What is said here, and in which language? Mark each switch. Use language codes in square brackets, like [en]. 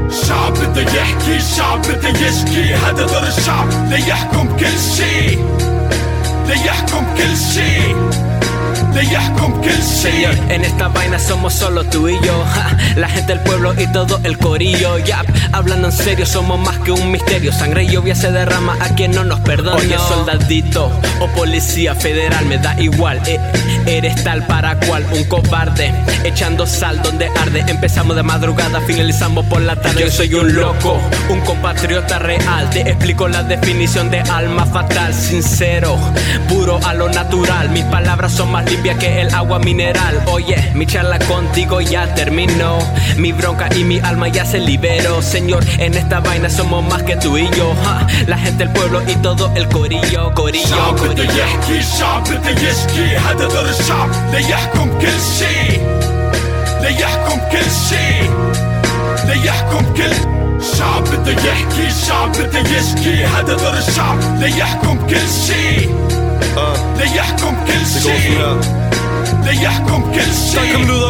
[ar] الشعب بده يحكي الشعب بده يشكي هذا دور الشعب ليحكم كل شيء ليحكم كل شيء ليحكم كل شيء [es] en esta vaina somos solo tú y yo la gente del pueblo y todo el corillo yap hablando en serio somos más que un misterio sangre y lluvia se derrama a quien no nos perdona oye soldadito o policía federal me da igual eres tal para cual un cobarde echando sal donde arde empezamos de madrugada finalizamos por la tarde yo soy un loco un compatriota real te explico la definición de alma fatal sincero puro a lo natural mis palabras son más limpias que el agua mineral oye mi charla contigo ya terminó mi bronca y mi alma ya se liberó señor en esta vaina somos más que tú y yo la gente del pueblo y todo el corillo corillo [ar] بده يحكي الشعب بده يشكي هدا دور الشعب ليحكم كل شي ليحكم كل شي ليحكم كل الشعب بده يحكي الشعب بده يشكي هدا دور الشعب ليحكم كل شي ليحكم كل شي ليحكم كل شي